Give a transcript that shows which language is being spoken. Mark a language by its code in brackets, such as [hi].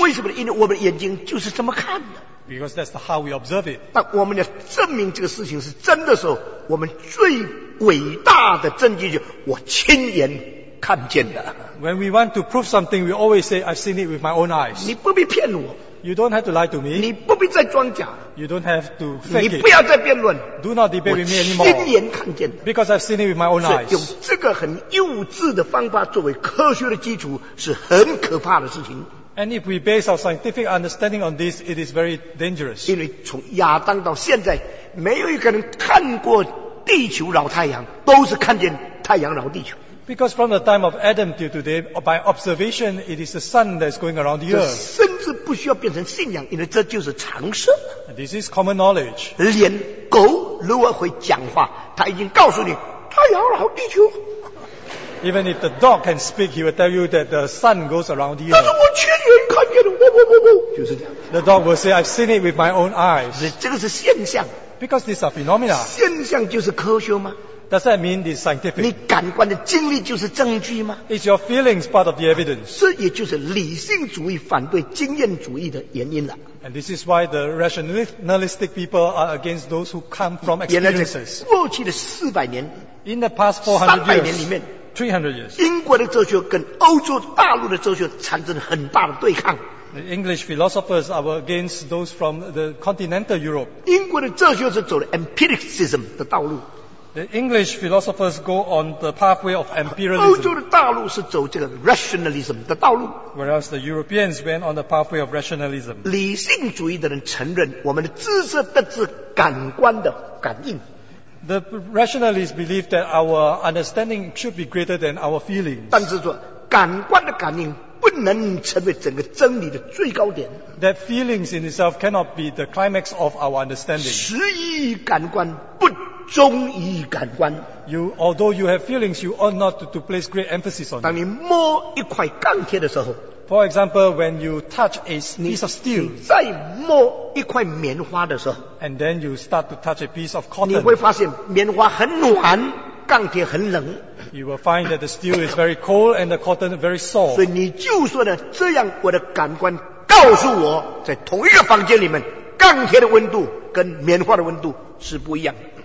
[zh] 为什么？因为我们眼睛就是这么看的。 [en] Because that's how we observe it. [zh] 但我们要证明这个事情是真的时候，我们最伟大的证据就是我亲眼看见的。 [en] When we want to prove something, we always say, I've seen it with my own eyes. [zh] 你不必骗我。 [en] You don't have to lie to me. [zh] 你不必再装假。 [en] You don't have to fake it. [zh] 你不要再辩论。 [en] Do not debate with me anymore. [zh] 我亲眼看见的。 [en] Because I've seen it with my own eyes. [zh] 用这个很幼稚的方法作为科学的基础是很可怕的事情。 [en] And if we base our scientific understanding on this, it is very dangerous. [zh] 因为从亚当到现在，没有一个人看过地球绕太阳，都是看见太阳绕地球。 [en] Because from the time of Adam till today, by observation, it is the sun that is going around the earth. [zh] 甚至不需要变成信仰，因为这就是常识。 [en] This is common knowledge. [zh] 连狗如果会讲话，他已经告诉你太阳绕地球。 [en] Even if the dog can speak, he will tell you that the sun goes around the earth. [zh] 但是我亲眼看见的，我就是这样。 [en] The dog will say, "I've seen it with my own eyes." [zh] 这个是现象。 [en] Because these are phenomena. [zh] 现象就是科学吗？ [en] Does that mean it's scientific? [zh] 你感官的经历就是证据吗？ [en] Is your feelings part of the evidence? [zh] 这也就是理性主义反对经验主义的原因了。 [en] And this is why the rationalistic people are against those who come from experiences. [zh] 原来在过去的四百年， [en] In the past 400 years, [zh] 三百年里面， [en] 300 years, [zh] 英国的哲学跟欧洲大陆的哲学产生很大的对抗。 [en] The English philosophers are against those from the continental Europe. [zh] 英国的哲学是走了 empiricism 的道路。 [en] The English philosophers go on the pathway of empiricism. [zh] 欧洲的大陆是走这个 rationalism 的道路。 [en] Whereas the Europeans went on the pathway of rationalism. [zh] 理性主义的人承认我们的知识得自感官的感应。 [en] The rationalists believe that our understanding should be greater than our feelings. [zh] 但是说感官的感应不能成为整个真理的最高点。 [en] That feelings in itself cannot be the climax of our understanding. [zh] 十一感官不忠于感官。 [en] You, although you have feelings, you ought not to place great emphasis on it. [zh] 当你摸一块钢铁的时候， [en] For example, when you touch a piece of steel, [zh] 你再摸一块棉花的时候， [en] And then you start to touch a piece of cotton, [zh] 你会发现棉花很暖，钢铁很冷。 [en] You will find that the steel is very cold and the cotton very soft. [zh] 所以你就说呢，这样我的感官告诉我，在同一个房间里面，钢铁的温度跟棉花的温度是不一样的。